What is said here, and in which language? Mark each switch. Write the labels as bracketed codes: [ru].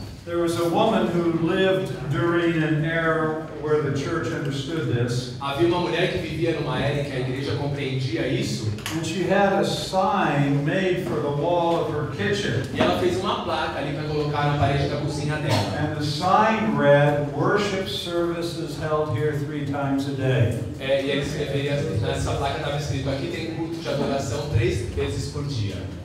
[en] There was a woman who lived during an era where the church understood this. [pt] Havia uma mulher que vivia numa era em que a igreja compreendia isso. [en] And she had a sign made for the wall of her kitchen. [pt] E ela fez uma placa ali para colocar na parede da cozinha dela. [en] And the sign read, "Worship services held here 3 times a day." [pt] Essa placa estava escrito, aqui tem culto de adoração 3 vezes por dia.